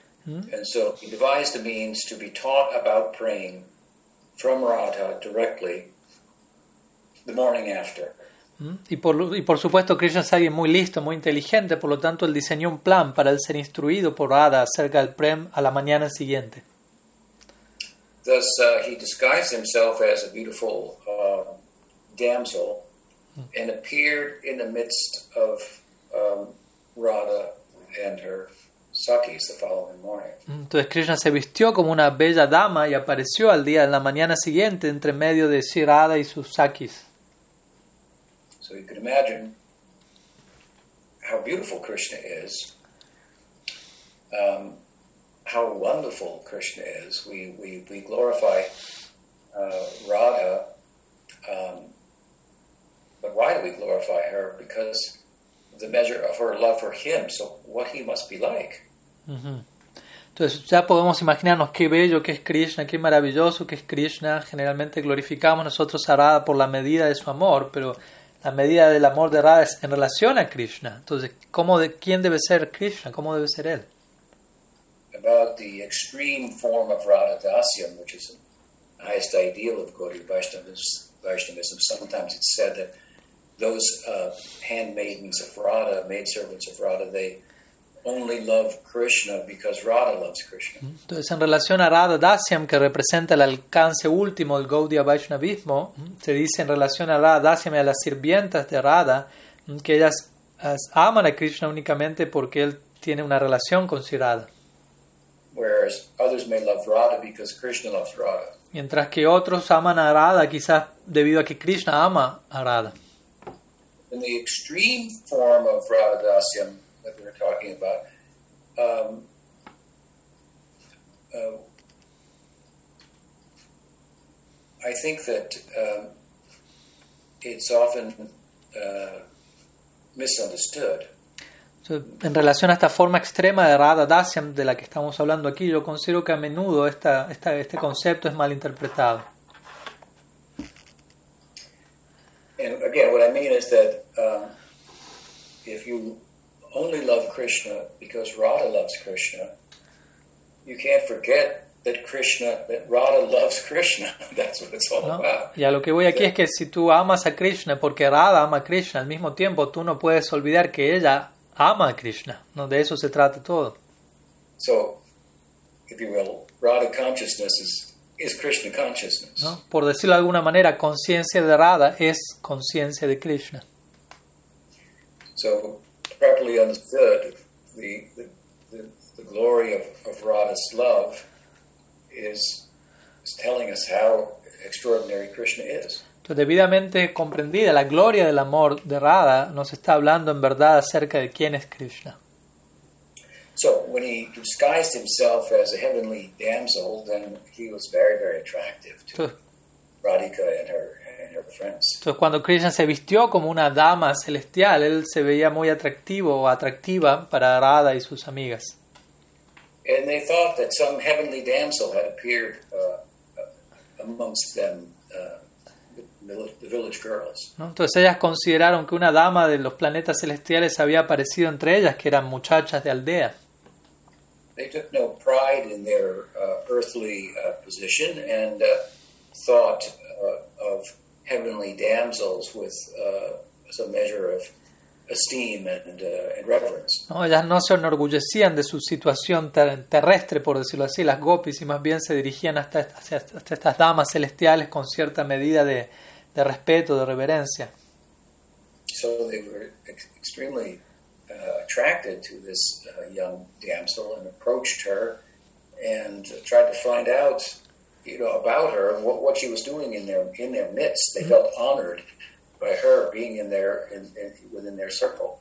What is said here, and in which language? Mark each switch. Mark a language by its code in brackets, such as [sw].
[en] And so he devised a means to be taught about praying from Radha directly the morning after. [es] Y por supuesto, Krishna es alguien muy listo, muy inteligente, por lo tanto, él diseñó un plan para él ser instruido por Radha acerca del prem a la mañana siguiente. [en] Thus, he disguised himself as a beautiful damsel and appeared in the midst of Radha and her sakis the following morning. [es] Entonces, Krishna se vistió como una bella dama y apareció al día de la mañana siguiente entre medio de Radha y sus sakis. [en] So you can imagine how beautiful Krishna is, how wonderful Krishna is. We glorify Radha, but why do we glorify her? Because the measure of her love for him, so what he must be like. [es] Entonces ya podemos imaginarnos qué bello que es Krishna, qué maravilloso que es Krishna. Generalmente glorificamos nosotros a Radha por la medida de su amor, pero la medida del amor de Radha es en relación a Krishna. Entonces, ¿quién debe ser Krishna? ¿Cómo debe ser él? [en] About the extreme form of Radha Dasyam, which is the highest ideal of Gaudiya Vaishnavism. Sometimes it's said that those handmaidens of Radha, maidservants of Radha, they only love Krishna because Radha loves Krishna. [es] Entonces, en relación a Radha Dasyam, que representa el alcance último del Gaudiya Vaishnavismo, se dice en relación a Radha Dasyam y a las sirvientas de Radha, que ellas aman a Krishna únicamente porque él tiene una relación con Radha. [en] Whereas others may love Radha because Krishna loves Radha. [es] Mientras que otros aman a Radha quizás debido a que Krishna ama a Radha. [en] In the extreme form of Radha Dasyam, that we're talking about, I think that it's often misunderstood. [es] So, en relación a esta forma extrema de Radha Dasyam de la que estamos hablando aquí, yo considero que a menudo este concepto es mal interpretado. [en] And again, what I mean is that if you only love Krishna because Radha loves Krishna, you can't forget that Radha loves Krishna. That's what it's all about. [es] Y a lo que voy aquí es que si tú amas a Krishna porque Radha ama a Krishna, al mismo tiempo tú no puedes olvidar que ella ama a Krishna. No, de eso se trata todo. [en] So, if you will, Radha consciousness is Krishna consciousness. [es] ¿No? Por decirlo de alguna manera, conciencia de Radha es conciencia de Krishna. [en] So, properly understood, the glory of Radha's love is telling us how extraordinary Krishna is. [es] Entonces, debidamente comprendida la gloria del amor de Radha, nos está hablando en verdad acerca de quién es Krishna. [en] So when he disguised himself as a heavenly damsel, then he was very, very attractive to Radhika and her friends. [es] Entonces, cuando Krishna se vistió como una dama celestial, él se veía muy atractivo o atractiva para Radha y sus amigas. [en] And they thought that some heavenly damsel had appeared amongst them, the village girls. [es] ¿No? Entonces ellas consideraron que una dama de los planetas celestiales había aparecido entre ellas, que eran muchachas de aldea. [en] They took no pride in their earthly position and thought of heavenly damsels with some measure of esteem and reverence. [es] No, ellas no se enorgullecían de su situación terrestre, por decirlo así, las gopis, y más bien se dirigían hasta estas damas celestiales con cierta medida de respeto, de reverencia. [en] So they were extremely attracted to this young damsel and approached her and tried to find out, you know, about her and what she was doing in their midst. They felt honored by her being within their circle.